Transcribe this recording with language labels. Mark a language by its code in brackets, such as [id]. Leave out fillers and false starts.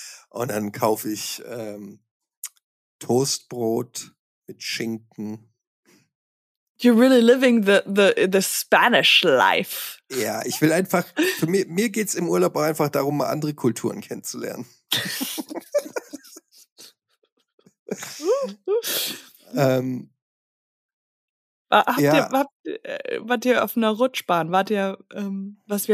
[de] Und dann kaufe ich Toastbrot mit Schinken. [en] You're really living the Spanish life. [de] Ja, ich will einfach, für mir geht es im Urlaub auch einfach darum, mal andere Kulturen kennenzulernen. Wart ihr auf einer Rutschbahn? Wart ihr, was wir